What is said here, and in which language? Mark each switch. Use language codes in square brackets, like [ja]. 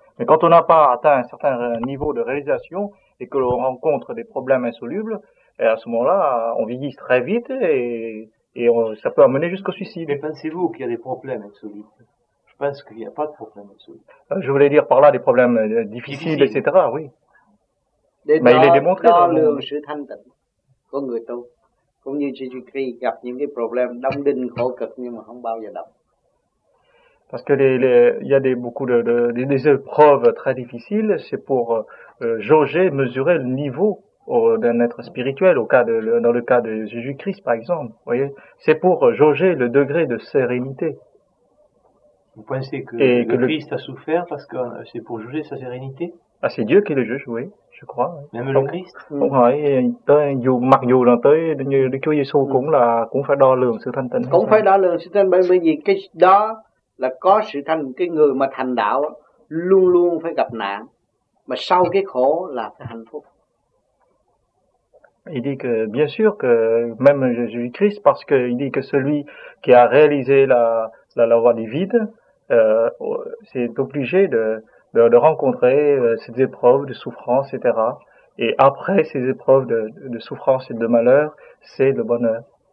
[fr] Mais quand on n'a pas atteint un certain niveau de réalisation et que l'on rencontre des problèmes insolubles, et à ce moment-là, on vieillit très vite et ça peut amener jusqu'au suicide. Mais pensez-vous qu'il y a des problèmes insolubles? Je pense qu'il n'y a pas de problèmes insolubles. Je voulais dire par là des problèmes difficiles, etc. Oui. Mais il est démontré dans le monde. [vi] Có người tu cũng như Jésus-Christ gặp những cái problème đông đinh khổ cực nhưng mà không bao giờ đọc. [fr] Parce que il y a beaucoup des épreuves très difficiles, c'est pour jauger, mesurer le niveau d'un être spirituel dans le cas de Jésus-Christ par exemple, voyez, c'est pour jauger le degré de sérénité. Vous pensez que le Christ a souffert parce que c'est pour juger sa sérénité? Ah, c'est Dieu qui le juge, oui. Je crois. Même le Christ. [vi] Oui, mặc dù là tới Đức Chúa Giêsu cũng phải đo lường sự thanh tịnh. Cũng phải đo lường sự thanh tịnh, bởi vì cái đó là có sự thanh, cái người mà thành đạo luôn luôn phải gặp nạn, mà sau cái khổ là cái hạnh phúc. [fr] Il dit que bien sûr que même Jésus-Christ, parce que il dit que celui qui a réalisé la loi du vide, c'est obligé de rencontrer ces épreuves de souffrance, etc. Et après ces épreuves de souffrance et de malheur, c'est le bonheur.